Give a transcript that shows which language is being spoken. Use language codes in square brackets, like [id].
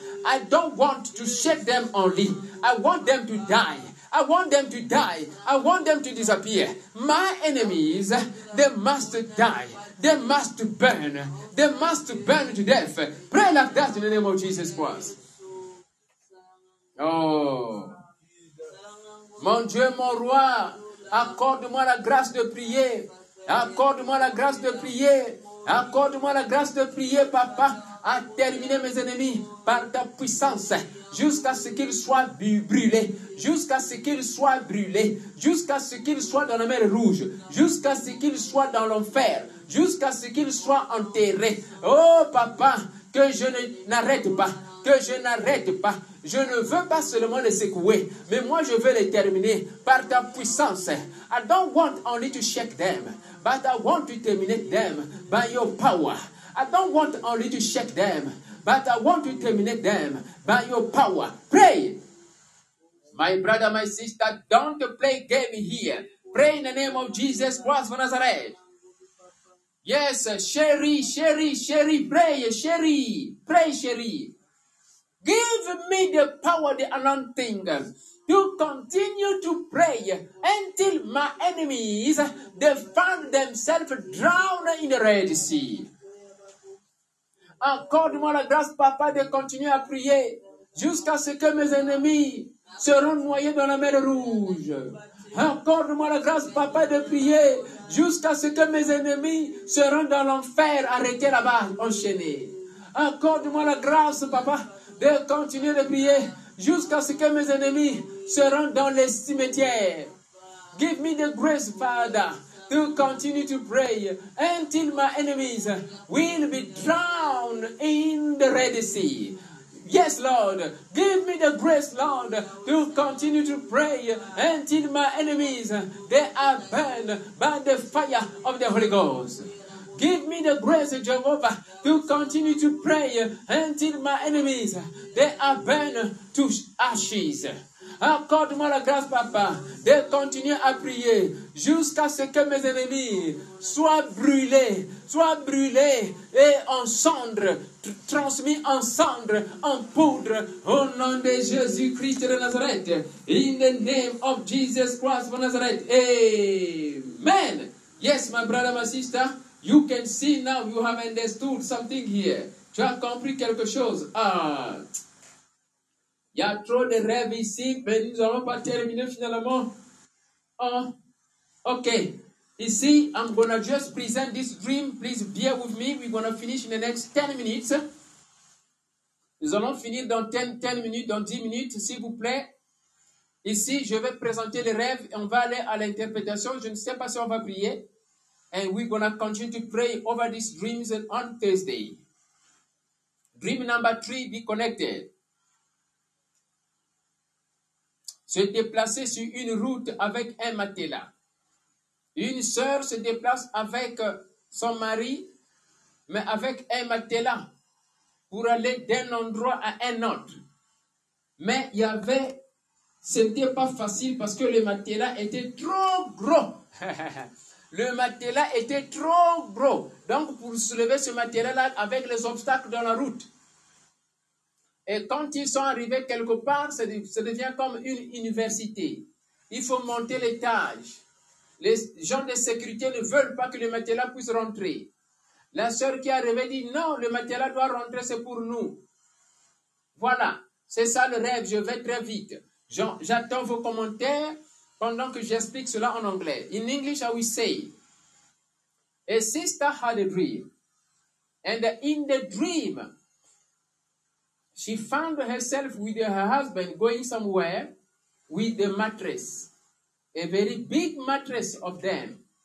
[en] I don't want to shake them only. I want them to die. I want them to die. I want them to disappear. My enemies, they must die. They must burn. They must burn to death. Pray like that in the name of Jesus Christ. Oh. [fr] Mon Dieu, mon roi, accorde-moi la grâce de prier. Accorde-moi la grâce de prier. Accorde-moi la grâce de prier, papa, à terminer mes ennemis par ta puissance. Jusqu'à ce qu'ils soient brûlés. Jusqu'à ce qu'ils soient brûlés. Jusqu'à ce qu'ils soient dans la mer rouge. Jusqu'à ce qu'ils soient dans l'enfer. Jusqu'à ce qu'ils soient enterrés. Oh, papa, que je n'arrête pas. Que je n'arrête pas. Je ne veux pas seulement les secouer, mais moi je veux les terminer par ta puissance. [en] I don't want only to shake them, but I want to terminate them by your power. I don't want only to shake them, but I want to terminate them by your power. Pray! My brother, my sister, don't play game here. Pray in the name of Jesus Christ of Nazareth. Yes, chérie, chérie, chérie, pray, chérie, pray, chérie. Give me the power, the anointing, to continue to pray until my enemies, they find themselves drowned in the Red Sea. [fr] Accorde-moi la grâce, papa, de continuer à prier jusqu'à ce que mes ennemis seront noyés dans la mer rouge. Accorde-moi la grâce, papa, de prier jusqu'à ce que mes ennemis seront dans l'enfer, arrêtés là-bas, enchaînés. Accorde-moi la grâce, papa, de continuer de prier jusqu'à ce que mes ennemis seront dans les cimetières. [en] Give me the grace, Father, to continue to pray until my enemies will be drowned in the Red Sea. Yes, Lord, give me the grace, Lord, to continue to pray until my enemies, they are burned by the fire of the Holy Ghost. Give me the grace, Jehovah, to continue to pray until my enemies, they are burned to ashes. [fr] Accorde-moi la grâce, Papa, de continuer à prier jusqu'à ce que mes ennemis soient brûlés et en cendres, transmis en cendres, en poudre, au nom de Jésus-Christ de Nazareth, [en] in the name of Jesus Christ of Nazareth. Amen. Yes, my brother, my sister. You can see now you have understood something here. [fr] Tu as compris quelque chose. Ah, y a trop de rêves ici, mais nous n'allons pas terminer finalement. Oh, ok. [en] Ici, I'm going to just present this dream. Please bear with me. We're going to finish in the next 10 minutes. [fr] Nous allons finir dans 10 minutes, dans 10 minutes, s'il vous plaît. Ici, je vais présenter les rêves et on va aller à l'interprétation. Je ne sais pas si on va prier. [en] And we're going to continue to pray over these dreams on Thursday. Dream number 3, be connected. [fr] Se déplacer sur une route avec un matelas. Une sœur se déplace avec son mari, mais avec un matelas, pour aller d'un endroit à un autre. Mais il y avait, c'était pas facile parce que le matelas était trop gros. Le matelas était trop gros. Donc, pour soulever ce matelas-là avec les obstacles dans la route. Et quand ils sont arrivés quelque part, ça devient comme une université. Il faut monter l'étage. Les gens de sécurité ne veulent pas que le matelas puisse rentrer. La sœur qui est arrivée dit, non, le matelas doit rentrer, c'est pour nous. Voilà, c'est ça le rêve, je vais très vite. J'attends vos commentaires. Pendant que j'explique cela en anglais. [en] In English, I will say, a sister had a dream. And in the dream, She found herself with her husband going somewhere with a mattress, a very big mattress of them.